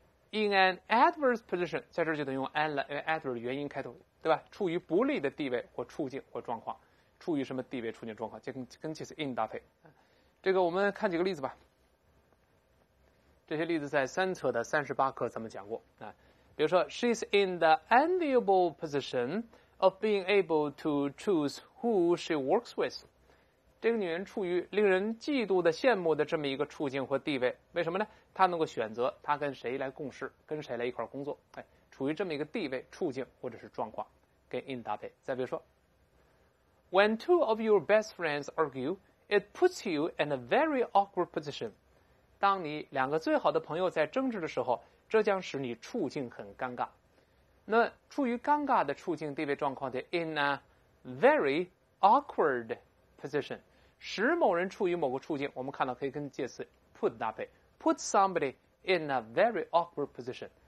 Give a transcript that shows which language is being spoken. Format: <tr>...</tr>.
<en>in an adverse position，</en> <zh>在这就得用 an 了，因为 adverse 元音开头，对吧？处于不利的地位或处境或状况，处于什么地位、处境、状况，跟介词 in 搭配。这个我们看几个例子吧。这些例子在三册的38课咱们讲过啊。比如说</zh> <en>，She's in the enviable position of being able to choose who she works with。</en> <zh>这个女人处于令人嫉妒的、羡慕的这么一个处境或地位，为什么呢？她能够选择她跟谁来共事，跟谁来一块工作。哎，处于这么一个地位、处境或者是状况，跟 in 搭配。再比如说。</zh> <en>When two of your best friends argue, it puts you in a very awkward position.</en> <zh>当你两个最好的朋友在争执的时候，这将使你处境很尴尬。那处于尴尬的处境地位状况的</zh> <en>in a very awkward position，</en> <zh>使某人处于某个处境，我们看到可以跟介词 put 搭配，</zh> <en>put somebody in a very awkward position。</en>